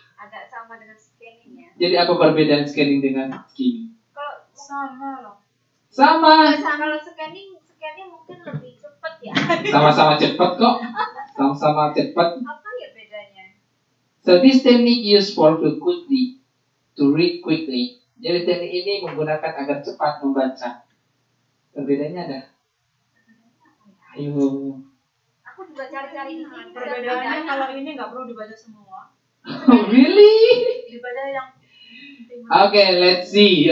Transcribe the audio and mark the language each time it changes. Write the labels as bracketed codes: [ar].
[id] Agak sama dengan scanning ya. Jadi apa perbedaan scanning dengan skimming? Sama loh. Sama. Kalau scanning mungkin lebih cepat ya. Sama-sama cepat kok. Sama-sama cepat. Apa ya bedanya? [en] So this technique used for to quickly, to read quickly. [id] Jadi teknik ini menggunakan agar cepat membaca. Perbedaannya ada? Ayo. Aku juga cari-cari ini. Perbedaannya kalau ini nggak perlu dibaca semua. [en] Oh, really? [id] Dibaca yang penting. [en] Oke, okay, let's see.